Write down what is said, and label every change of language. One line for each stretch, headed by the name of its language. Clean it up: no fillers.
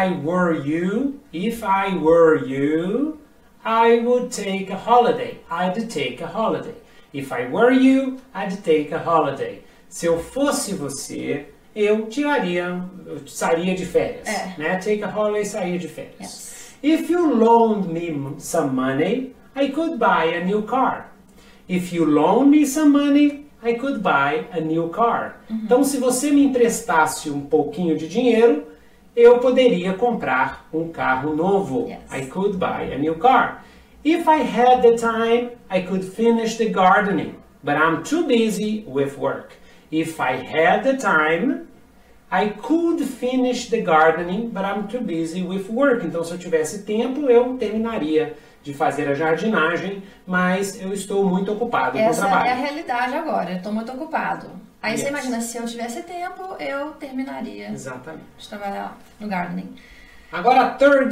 English: If I were you, I would take a holiday. I'd take a holiday. If I were you, I'd take a holiday.
Portuguese: Se eu fosse você, eu sairia de férias, É. né?
English: Take a holiday,
Portuguese: sairia de férias.
English: Yes. If you loaned me some money, I could buy a new car. If you loaned me some money, I could buy a new car.
Portuguese: Então, se você me emprestasse um pouquinho de dinheiro, eu poderia comprar um carro novo.
English: I Yes. could buy a new car. If I had the time, I could finish the gardening, but I'm too busy with work. If I had the time, I could finish the gardening, but I'm too busy with work.
Portuguese: Então, se eu tivesse tempo, eu terminaria de fazer a jardinagem, mas eu estou muito ocupado com o Essa é a trabalho. realidade agora. Eu estou muito ocupado. Aí você imagina,
English: Yes.
Portuguese: se eu tivesse tempo, eu terminaria Exatamente. de trabalhar no gardening. Agora, third